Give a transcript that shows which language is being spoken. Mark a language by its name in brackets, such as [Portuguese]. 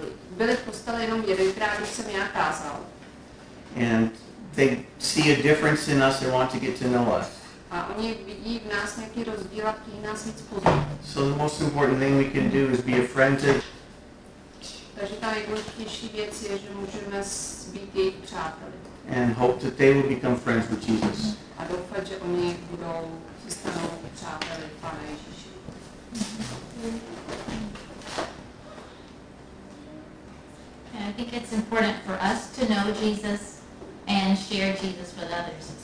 [Czech] byli v kostele jenom jedenkrát, když jsem já kázal. [English] And they see a difference in us and want to get to know us. [Czech] A oni vidí v nás nějaký rozdíl a chtějí nás víc poznat. [English] So the most important thing we can do is be a friend to. [Czech] Takže ta nejdůležitější věc je, že můžeme být jejich přáteli. [English] And hope that they will become friends with Jesus. [Czech] A doufat, že oni budou se stanou přáteli Pána Ježíši. [English] And I think it's important for us to know Jesus and share Jesus with others.